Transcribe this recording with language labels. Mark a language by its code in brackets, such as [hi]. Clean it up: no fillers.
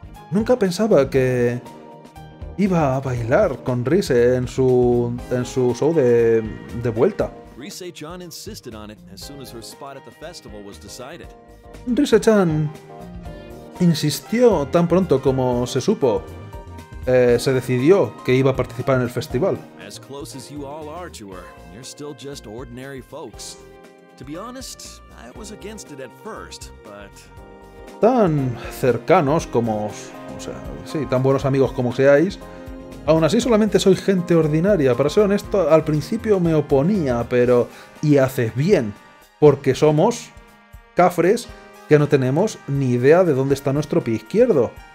[es] Nunca pensaba que iba a bailar con Rise en su show de vuelta. [en] Rise-chan insisted on it as soon as her spot at the festival was decided. [es] Rise-chan insistió tan pronto como se supo, se decidió que iba a participar en el festival. [en] As close as you all are to her, you're still just ordinary folks. To be honest, I was against it at first, but... [es] Tan cercanos como... O sea, sí, tan buenos amigos como seáis. Aún así solamente soy gente ordinaria. Para ser honesto, al principio me oponía, pero... Y haces bien, porque somos cafres que no tenemos ni idea de dónde está nuestro pie izquierdo.